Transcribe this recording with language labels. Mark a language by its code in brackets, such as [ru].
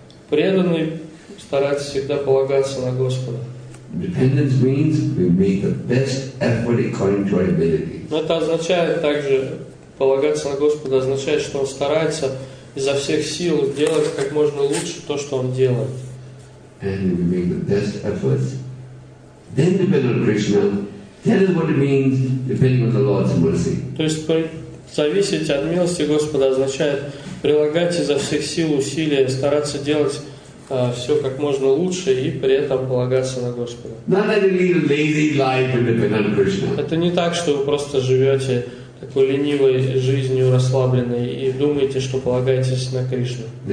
[ru] Преданный старается всегда полагаться на Господа. [en] Dependence means we make the best effort according to our ability. [ru] Но это означает также полагаться на Господа, означает, что он старается изо всех сил делать как можно лучше то, что он делает. [en] And we make the best effort. Then depend on Krishna. Tell us what it means depending on the Lord's mercy. [ru] То есть зависеть от милости Господа означает прилагать изо всех сил усилия, стараться делать все как можно лучше и при этом полагаться на Господа. Это не так, что вы просто живете такой ленивой жизнью, расслабленной, и думаете, что полагаетесь на Кришну.